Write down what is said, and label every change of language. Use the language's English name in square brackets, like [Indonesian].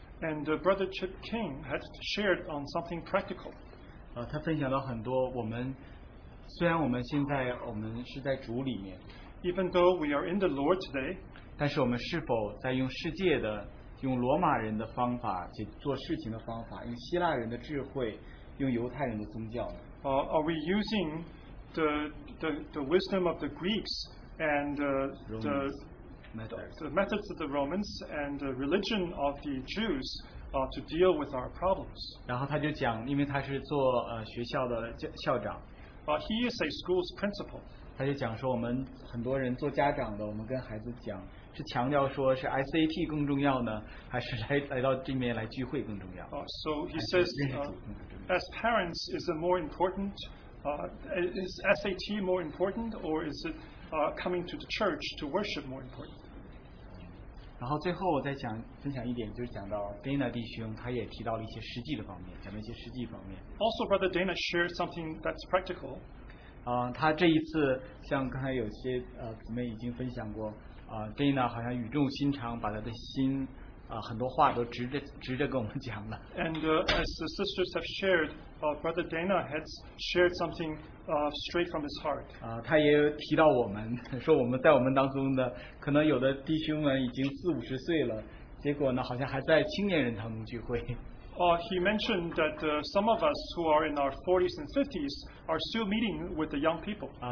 [English] And Brother Chip King has shared on something practical. [Chinese] 他分享了很多我们虽然我们现在我们是在主里面。 [English] Even though we are in the Lord today, [Chinese] 但是我们是否在用世界的 用罗马人的方法，解做事情的方法，用希腊人的智慧，用犹太人的宗教。 [English] Are we using the wisdom of the Greeks and the methods of the Romans and the religion of the Jews to deal with our problems. [Chinese] 然后他就讲, 因为他是做, 学校的校长, [English] He is a school's principal. [Chinese] 他就讲说我们很多人做家长的，我们跟孩子讲。是强调说是 ICT 更重要呢, 还是来到这边来聚会更重要? [English] So he says, as parents, is it more important? Is SAT more important, or is it coming to the church to worship more important? [Chinese] 然后最后我再讲分享一点, 就是讲到 Dana 弟兄, 他也提到了一些实际的方面, 讲了一些实际方面。 [English] Also, Brother Dana shared something that's practical. [Chinese] 他这一次像刚才有些 姊妹已经分享过。 Dana 好像语重心长 把他的心, 很多话都直着跟我们讲了 [English] And as the sisters have shared Brother Dana has shared something straight from his heart [Chinese] 他也提到我们 说我们在我们当中的 可能有的弟兄们已经四五十岁了 结果呢, 好像还在青年人当中聚会 [English] He mentioned that some of us who are in our 40s and 50s are still meeting with the young people.